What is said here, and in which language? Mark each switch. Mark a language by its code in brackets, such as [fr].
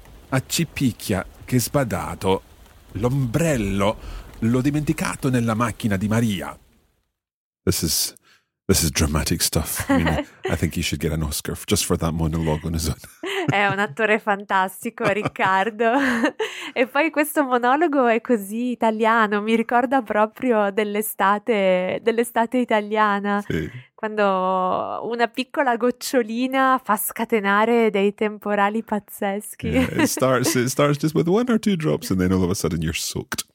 [it] A Cipicchia, che sbadato, l'ombrello l'ho dimenticato nella macchina di Maria. [en] This is dramatic stuff. I think he should get an Oscar just for that monologue on his own. [it] È un attore fantastico, Riccardo. E poi questo monologo è così italiano, mi ricorda proprio dell'estate italiana. Sì. Quando una piccola gocciolina fa scatenare dei temporali pazzeschi. [en] Yeah, it starts just with one or two drops and then all of a sudden you're soaked.